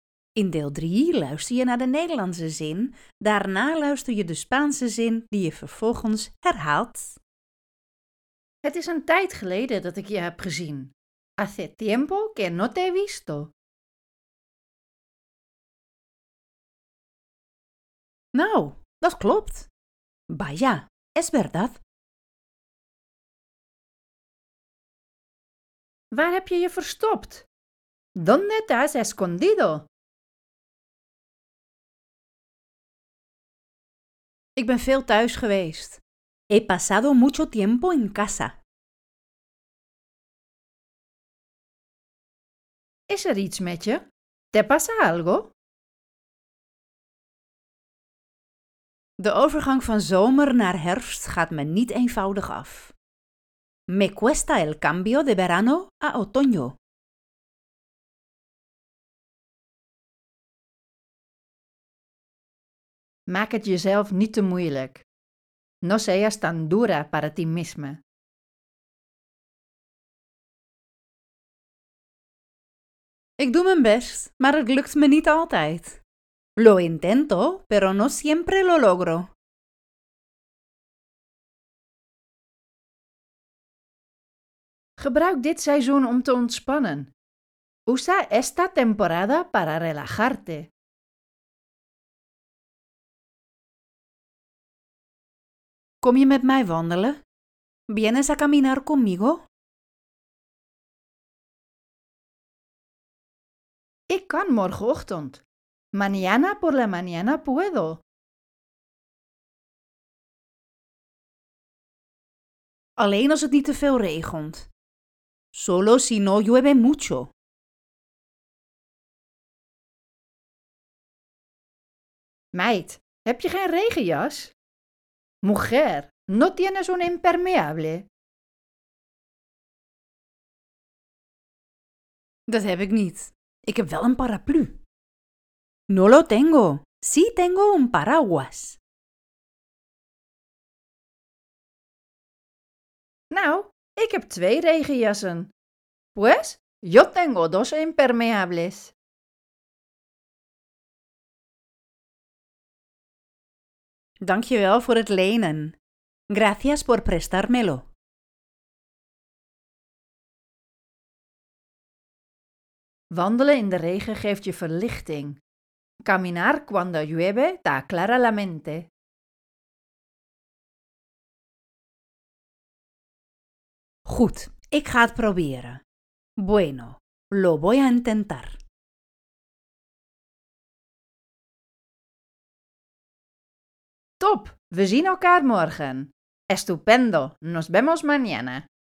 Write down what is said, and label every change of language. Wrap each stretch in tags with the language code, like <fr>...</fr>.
<nl>In deel 3 luister je naar de Nederlandse zin, daarna luister je de Spaanse zin die je vervolgens herhaalt. Het is een tijd geleden dat ik je heb gezien.</nl> <es>Hace tiempo que no te he visto.</es> <nl>Nou, dat klopt.</nl> <es>Vaya, es verdad.</es> <nl>Waar heb je je verstopt?</nl> <es>¿Dónde te has escondido?</es> <nl>Ik ben veel thuis geweest.</nl> <es>He pasado mucho tiempo en casa.</es> <nl>Is er iets met je?</nl> <es>¿Te pasa algo?</es> <nl>De overgang van zomer naar herfst gaat me niet eenvoudig af.</nl> <es>Me cuesta el cambio de verano a otoño.</es> <nl>Maak het jezelf niet te moeilijk.</nl> <es>No seas tan dura para ti misma.</es> <nl>Ik doe mijn best, maar het lukt me niet altijd.</nl> <es>Lo intento, pero no siempre lo logro.</es> <nl>Gebruik dit seizoen om te ontspannen.</nl> <es>Usa esta temporada para relajarte.</es> <nl>Kom je met mij wandelen?</nl> <es>¿Vienes a caminar conmigo?</es> <nl>Ik kan morgenochtend.</nl> <es>Mañana por la mañana puedo.</es> <nl>Alleen als het niet te veel regent.</nl> <es>Solo si no llueve mucho.</es> <nl>Meid, heb je geen regenjas?</nl> <es>Mujer, no tienes un impermeable.</es> <nl>Dat heb ik niet. Ik heb wel een paraplu.</nl> <es>No lo tengo. Sí tengo un paraguas.</es> <nl>Nou, ik heb twee regenjassen.</nl> <es>Pues, yo tengo dos impermeables.</es> <nl>Dankjewel voor het lenen.</nl> <es>Gracias por prestármelo.</es> <nl>Wandelen in de regen geeft je verlichting.</nl> <es>Caminar cuando llueve te aclara la mente.</es> <nl>Goed, ik ga het proberen.</nl> <es>Bueno, lo voy a intentar.</es> <nl>Top, we zien elkaar morgen.</nl> <es>Estupendo, nos vemos mañana.</es>